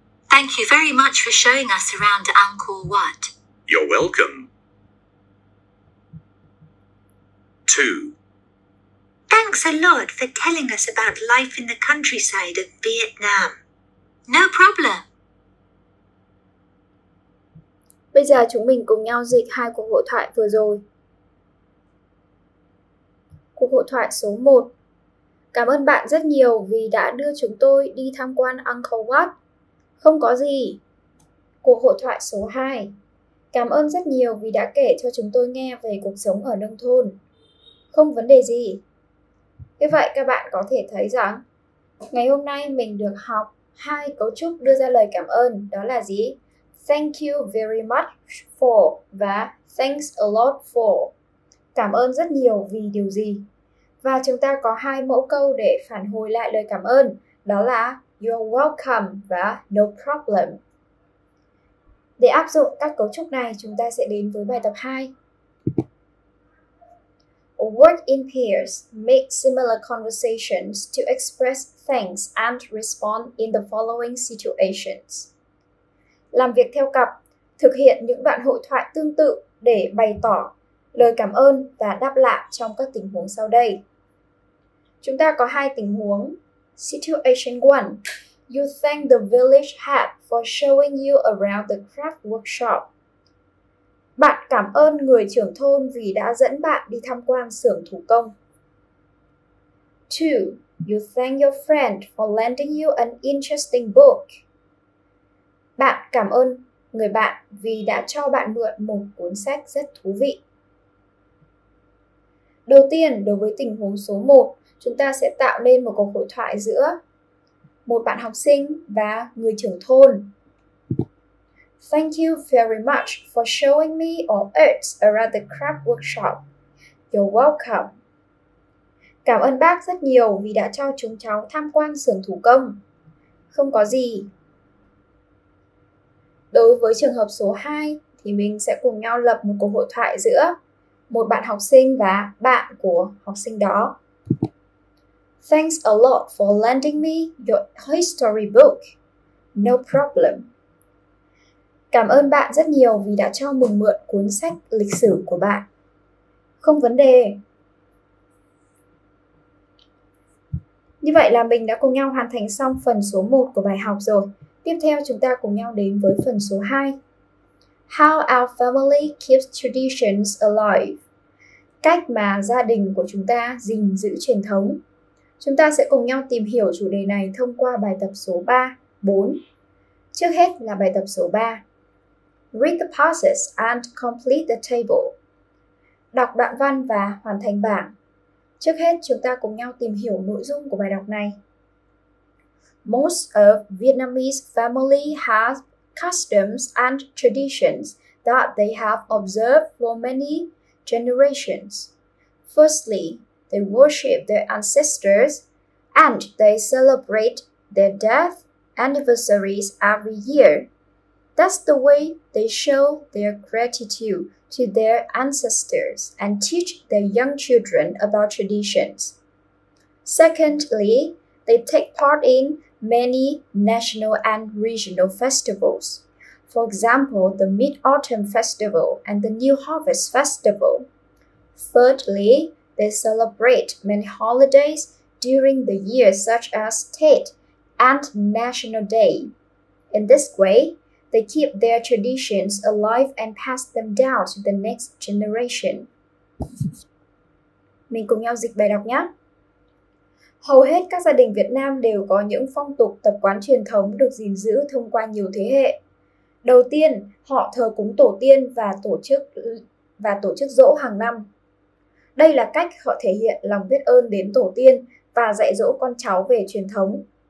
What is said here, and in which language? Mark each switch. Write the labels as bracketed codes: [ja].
[en] Thank you very much for showing us around Angkor Wat. You're welcome. Two. Thanks a lot for telling us about life in the countryside of Vietnam. No problem. [vi] Bây giờ chúng mình cùng nhau dịch hai cuộc hội thoại vừa rồi. Cuộc hội thoại số 1. Cảm ơn bạn rất nhiều vì đã đưa chúng tôi đi tham quan Angkor Wat. Không có gì. Cuộc hội thoại số 2. Cảm ơn rất nhiều vì đã kể cho chúng tôi nghe về cuộc sống ở nông thôn. Không vấn đề gì. Như vậy các bạn có thể thấy rằng ngày hôm nay mình được học hai cấu trúc đưa ra lời cảm ơn, đó là gì? [en] Thank you very much for và thanks a lot for. [vi] Cảm ơn rất nhiều vì điều gì? Và chúng ta có hai mẫu câu để phản hồi lại lời cảm ơn, đó là [en] you're welcome [vi] và [en] no problem. [vi] Để áp dụng các cấu trúc này, chúng ta sẽ đến với bài tập 2. [en] Work in pairs, make similar conversations to express thanks and respond in the following situations. [vi] Làm việc theo cặp, thực hiện những đoạn hội thoại tương tự để bày tỏ lời cảm ơn và đáp lại trong các tình huống sau đây. Chúng ta có hai tình huống. [en] Situation 1. You thank the village hat for showing you around the craft workshop. [vi] Bạn cảm ơn người trưởng thôn vì đã dẫn bạn đi tham quan xưởng thủ công. [en] 2. You thank your friend for lending you an interesting book. [vi] Bạn cảm ơn người bạn vì đã cho bạn mượn một cuốn sách rất thú vị. Đầu tiên, đối với tình huống số 1, chúng ta sẽ tạo nên một cuộc hội thoại giữa một bạn học sinh và người trưởng thôn. [en] Thank you very much for showing me all arts around the craft workshop. You're welcome. [vi] Cảm ơn bác rất nhiều vì đã cho chúng cháu tham quan xưởng thủ công. Không có gì. Đối với trường hợp số 2, thì mình sẽ cùng nhau lập một cuộc hội thoại giữa một bạn học sinh và bạn của học sinh đó. [en] Thanks a lot for lending me your history book. No problem. [vi] Cảm ơn bạn rất nhiều vì đã cho mình mượn cuốn sách lịch sử của bạn. Không vấn đề. Như vậy là mình đã cùng nhau hoàn thành xong phần số 1 của bài học rồi. Tiếp theo chúng ta cùng nhau đến với phần số 2. [en] How our family keeps traditions alive. [vi] Cách mà gia đình của chúng ta gìn giữ truyền thống. Chúng ta sẽ cùng nhau tìm hiểu chủ đề này thông qua bài tập số 3, 4. Trước hết là bài tập số 3. [en] Read the passages and complete the table. [vi] Đọc đoạn văn và hoàn thành bảng. Trước hết, chúng ta cùng nhau tìm hiểu nội dung của bài đọc này. [en] Most of Vietnamese family have customs and traditions that they have observed for many generations. Firstly, they worship their ancestors and they celebrate their death anniversaries every year. That's the way they show their gratitude to their ancestors and teach their young children about traditions. Secondly, they take part in many national and regional festivals. For example, the Mid-Autumn Festival and the New Harvest Festival. Thirdly, they celebrate many holidays during the year such as Tết and National Day. In this way, they keep their traditions alive and pass them down to the next generation. [vi] Mình cùng nhau dịch bài đọc nhé. Hầu hết các gia đình Việt Nam đều có những phong tục tập quán truyền thống được gìn giữ thông qua nhiều thế hệ. Đầu tiên, họ thờ cúng tổ tiên và tổ chức giỗ hàng năm. Đây là cách họ thể hiện lòng biết ơn đến tổ tiên và dạy dỗ con cháu về truyền thống.